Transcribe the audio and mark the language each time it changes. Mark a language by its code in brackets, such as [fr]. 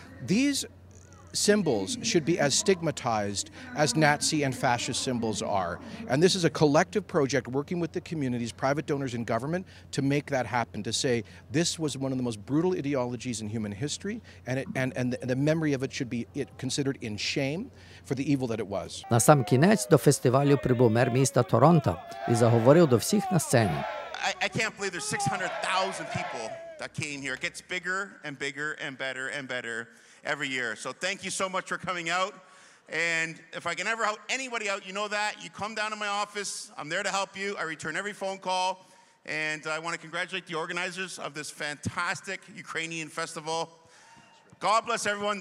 [en] These symbols should be as stigmatized as Nazi and fascist symbols are. And this is a collective project working with the communities, private donors and government to make that happen, to say this was one of the most brutal ideologies in human history, and the memory of it should be considered in shame for the evil that it was. [uk] На сам кінець до фестивалю прибув мер міста Торонто і заговорив до всіх на сцені. [en] I can't believe there's 600,000 people that came here. It gets bigger and bigger and better and better every year. So thank you so much for coming out. And if I can ever help anybody out, you know that. You come down to my office. I'm there to help you. I return every phone call. And I want to congratulate the organizers of this fantastic Ukrainian festival. God bless everyone.